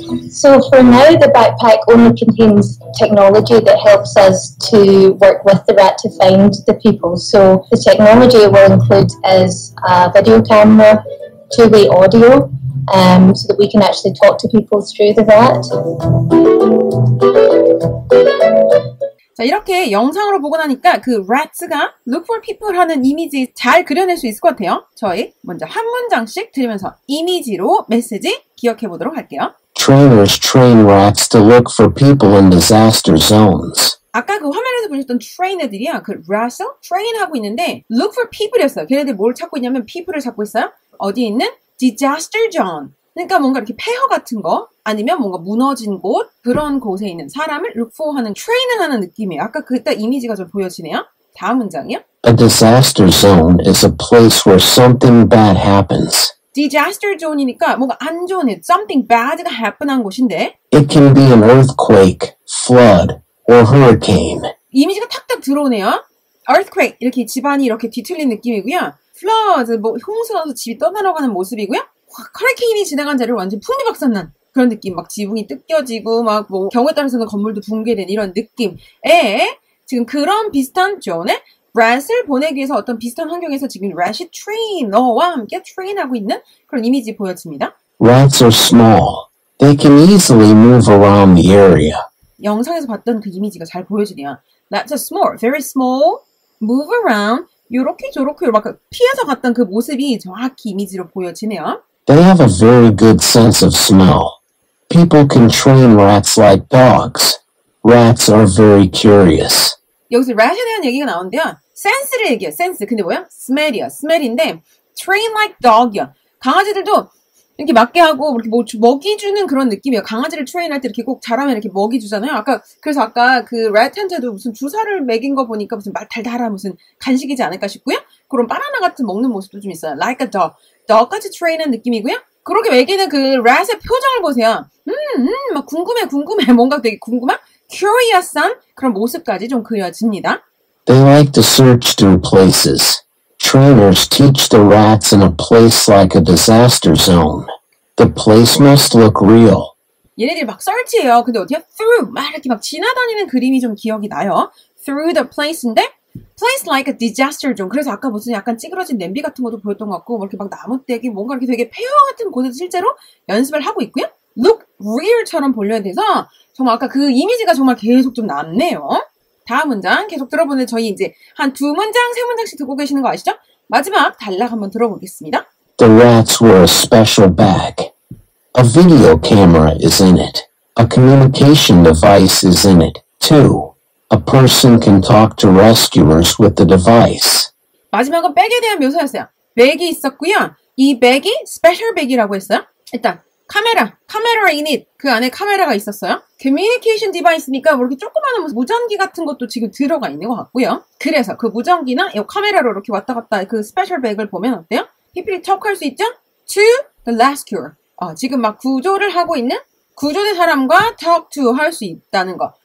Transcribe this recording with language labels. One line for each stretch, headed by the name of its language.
English: So for now, the backpack only contains technology that helps us to work with the rat to find the people. So the technology it will include is a video camera, two-way audio, so that we can actually talk to people through the rat.
Korean: 자, 이렇게 영상으로 보고 나니까 그 rats가
English: look for people
Korean: 하는 이미지 잘 그려낼 수 있을 것 같아요. 저희 먼저 한 문장씩 들으면서 이미지로 메시지 기억해 보도록 할게요.
English: Trainers train rats to look for people in disaster zones.
Korean: 아까 그 화면에서 보셨던 트레이너들이야. 그 rats을 트레인하고 있는데
English: look for people
Korean: 였어요. 걔네들 뭘 찾고 있냐면 people을 찾고 있어요. 어디 있는? Disaster zone. 그러니까 뭔가 이렇게 폐허 같은 거 아니면 뭔가 무너진 곳 그런 곳에 있는 사람을
English: look for
Korean: 하는 트레이닝 하는 느낌이에요. 아까 그때 이미지가 좀 보여지네요. 다음 문장이요.
English: A disaster zone is a place where something bad happens.
Korean: Disaster zone이니까 뭔가 안 좋은 일,
English: something bad
Korean: 가 happen한 곳인데
English: It can be an earthquake, flood, or hurricane.
Korean: 이미지가 탁탁 들어오네요. Earthquake, 이렇게 집안이 이렇게 뒤틀린 느낌이고요. Flood, 뭐 홍수나서 집이 떠나러가는 모습이고요. 허리케인이 지나간 자리를 완전 풍비박산난 그런 느낌, 막 지붕이 뜯겨지고 막 뭐 경우에 따라서는 건물도 붕괴된 이런 느낌에 지금 그런 비슷한 존에 rats을 보내기 위해서 어떤 비슷한 환경에서 지금 rat이 트레이너와 함께 트레인하고 있는 그런 이미지 보여집니다.
English: Rats are small. They can easily move around the area.
Korean: 영상에서 봤던 그 이미지가 잘 보여지네요.
English: Rats are small. Very small. Move around.
Korean: 요렇게 저렇게 막 피해서 갔던 그 모습이 정확히 이미지로 보여지네요.
English: They have a very good sense of smell. People can train rats like dogs. Rats are very curious.
Korean: 여기서 rat에 대한 얘기가 나오는데요. sense를 얘기해요. sense. 근데 뭐야? smell이야. smell인데
English: train like dog
Korean: 이야. 강아지들도 이렇게 맞게 하고 이렇게 뭐 먹이주는 그런 느낌이에요. 강아지를 트레인할 때 이렇게 꼭 잘하면 이렇게 먹이주잖아요. 아까 그래서 아까 그 rat한테도 무슨 주사를 먹인 거 보니까 무슨 말달달한 무슨 간식이지 않을까 싶고요. 그런 바나나 같은 먹는 모습도 좀 있어요.
English: Like a dog.
Korean: dog같이 트레인한 느낌이고요. 그렇게 먹이는 그 rat의 표정을 보세요. 막 궁금해 궁금해. 뭔가 되게 궁금한 curious한 그런 모습까지 좀 그려집니다.
English: They like to search through places. Trainers teach the rats in a place like a disaster zone. The place must look real.
Korean: 얘네들이 막 설치해요. 근데 어디야? Through. 막 이렇게 막 지나다니는 그림이 좀 기억이 나요.
English: Through the place인데 place like a disaster zone.
Korean: 그래서 아까 무슨 약간 찌그러진 냄비 같은 것도 보였던 것 같고 이렇게 막 나뭇대기 뭔가 이렇게 되게 폐허 같은 곳에서 실제로 연습을 하고 있고요. Look real처럼 보려야 돼서 정말 아까 그 이미지가 정말 계속 좀 남네요. 다음 문장 계속 들어보는 저희 이제 한 두 문장, 세 문장씩 듣고 계시는 거 아시죠? 마지막 단락 한번 들어보겠습니다.
English: The rats wear a special bag. A video camera is in it. A communication device is in it, too. A person can talk to rescuers with the device.
Korean: 마지막은 백에 대한 묘사였어요. 백이 있었고요. 이 백이 special bag이라고 했어요.
English: 일단 카메라, camera in it.
Korean: 그 안에 카메라가 있었어요. Communication device니까 뭐 이렇게 조그마한 무전기 같은 것도 지금 들어가 있는 것 같고요. 그래서 그 무전기나 이 카메라로 이렇게 왔다 갔다 그 special bag을 보면 어때요? 피피리 척할 수 있죠? To the rescuer. 아, 지금 막 구조를 하고 있는 구조된 사람과
English: talk to
Korean: 할 수 있다는 거.